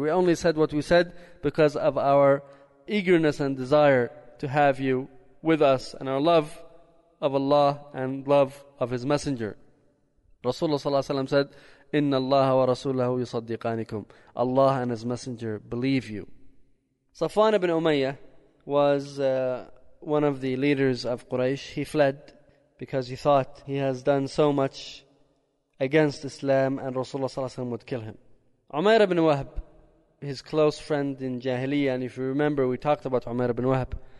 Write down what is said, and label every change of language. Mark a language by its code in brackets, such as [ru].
[en] We only said what we said because of our eagerness and desire to have you with us and our love of Allah and love of His Messenger. Rasulullah ﷺ said, [ar] إِنَّ اللَّهَ وَرَسُولَهُ يُصَدِّقَانِكُمْ. [en] Allah and His Messenger believe you. Safwan ibn Umayyah was one of the leaders of Quraysh. He fled because he thought he has done so much against Islam and Rasulullah ﷺ would kill him. Umayr ibn Wahb, his close friend in Jahiliyyah, and if you remember, we talked about Umayr ibn Wahb.